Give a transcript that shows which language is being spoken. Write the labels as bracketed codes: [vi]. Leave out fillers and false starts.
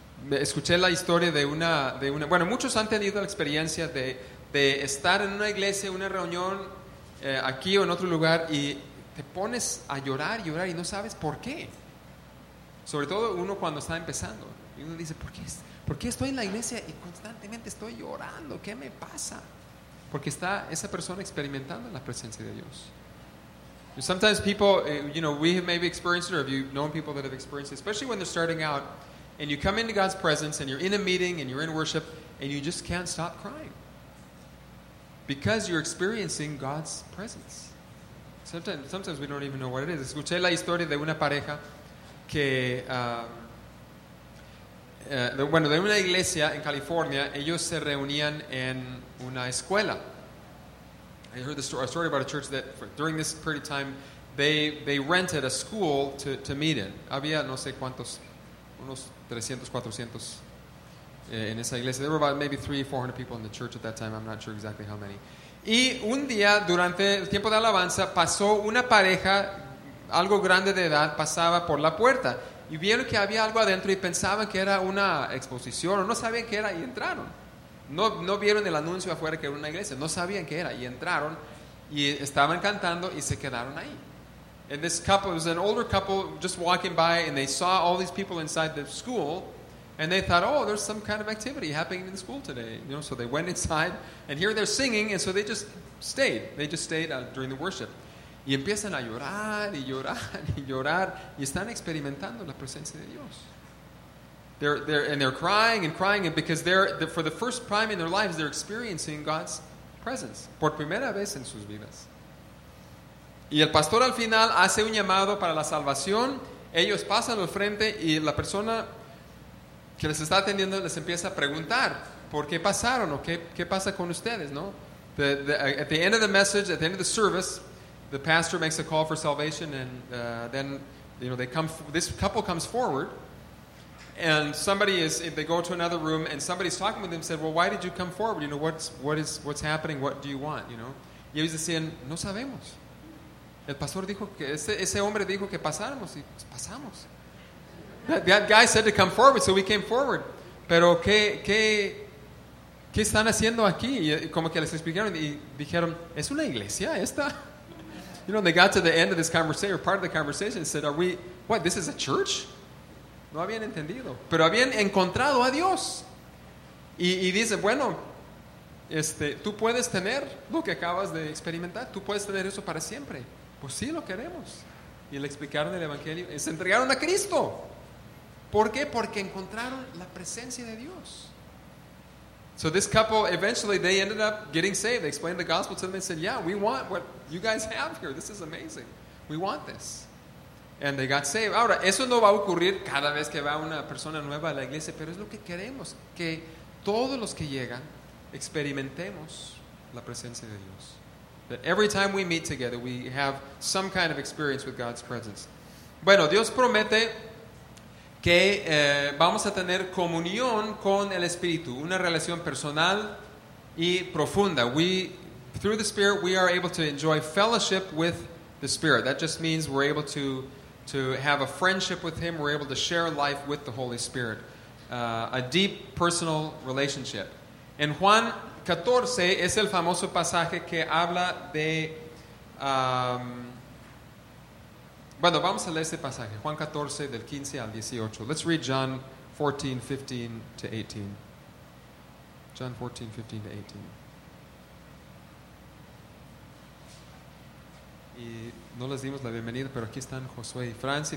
[es] Escuché la historia de una, bueno, muchos han tenido la experiencia de estar en una iglesia, una reunión, aquí o en otro lugar, y te pones a llorar y no sabes por qué. Sobre todo uno cuando está empezando. Y uno dice, ¿Por qué estoy en la iglesia y constantemente estoy llorando? ¿Qué me pasa? Porque está esa persona experimentando la presencia de Dios. [en] Sometimes people, you know, we have maybe experienced it, or have you known people that have experienced it, especially when they're starting out, and you come into God's presence, and you're in a meeting, and you're in worship, and you just can't stop crying. Because you're experiencing God's presence. Sometimes we don't even know what it is. [es] Escuché la historia de una pareja que... de una iglesia en California, ellos se reunían en una escuela. [en] I heard a story about a church that during this period of time, they rented a school to meet in. Había no sé cuántos, unos 300, 400 en esa iglesia. There were about maybe 300, 400 people in the church at that time. I'm not sure exactly how many. [es] Y un día, durante el tiempo de alabanza, pasó una pareja, algo grande de edad, pasaba por la puerta. Y vieron que había algo adentro y pensaban que era una exposición o no sabían qué era y entraron. No vieron el anuncio afuera que era una iglesia, no sabían qué era y entraron y estaban cantando y se quedaron ahí. [en] And this couple, it was an older couple just walking by and they saw all these people inside the school and they thought, oh, there's some kind of activity happening in the school today. You know, so they went inside and here they're singing and so they just stayed. They just stayed during the worship. [es] Y empiezan a llorar y llorar y llorar y están experimentando la presencia de Dios. [en] They're crying and crying and because they're for the first time in their lives they're experiencing God's presence [es] por primera vez en sus vidas. Y el pastor al final hace un llamado para la salvación. Ellos pasan al frente y la persona que les está atendiendo les empieza a preguntar por qué pasaron o qué pasa con ustedes, ¿no? [en] At the end of the message, at the end of the service, the pastor makes a call for salvation and then, you know, this couple comes forward and they go to another room and somebody's talking with them and said, well, why did you come forward? You know, what's happening? What do you want? You know? [es] Y ellos decían, no sabemos. El pastor dijo que, ese hombre dijo que pasáramos y pasamos. [en] That guy said to come forward, so we came forward. [es] Pero ¿qué están haciendo aquí? Y como que les explicaron y dijeron, ¿es una iglesia esta? [en] You know, they got to the end of this conversation, or part of the conversation, and said, are we, what, this is a church? [es] No habían entendido. Pero habían encontrado a Dios. Y dice, bueno, tú puedes tener lo que acabas de experimentar. Tú puedes tener eso para siempre. Pues sí, lo queremos. y le explicaron el evangelio y se entregaron a Cristo. ¿Por qué? Porque encontraron la presencia de Dios. [en] So this couple, eventually they ended up getting saved. They explained the gospel to them and said, yeah, we want what you guys have here. This is amazing. We want this. And they got saved. [es] Ahora, eso no va a ocurrir cada vez que va una persona nueva a la iglesia, pero es lo que queremos, que todos los que llegan experimentemos la presencia de Dios. [en] That every time we meet together, we have some kind of experience with God's presence. [es] Bueno, Dios promete que vamos a tener comunión con el Espíritu, una relación personal y profunda. [en] We, through the Spirit, we are able to enjoy fellowship with the Spirit. That just means we're able to have a friendship with Him. We're able to share life with the Holy Spirit. A deep personal relationship. [es] En Juan 14 es el famoso pasaje que habla de... Bueno, vamos a leer este pasaje, Juan 14, del 15 al 18. [en] Let's read John 14, 15 to 18. John 14, 15 to 18. [es] Y no les dimos la bienvenida, pero aquí están Josué y Franci.